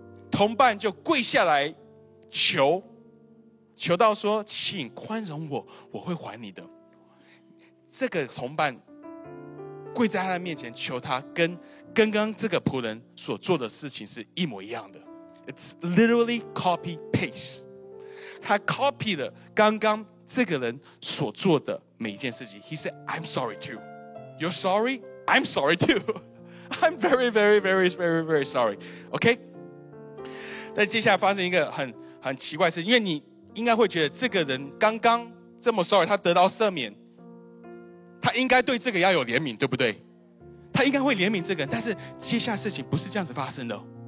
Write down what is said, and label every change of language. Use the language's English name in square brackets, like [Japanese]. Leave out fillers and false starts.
[Chinese] 同伴就跪下来求到说请宽容我，我会还你的。这个同伴跪在他的面前求他，跟刚刚这个仆人所做的事情是一模一样的。 [English] It's literally copy paste， [Chinese] 他 copy 了刚刚这个人所做的每一件事情。 [English] He said I'm sorry too， You're sorry I'm sorry too， I'm very very very very very sorry。 [Chinese] OK， 但接下来发生一个很奇怪的事情，因为你应该会觉得这个人刚刚这么 sorry， 他得到赦免，他应该对这个要有怜悯，对不对？他应该会怜悯这个人，但是接下来事情不是这样子发生的。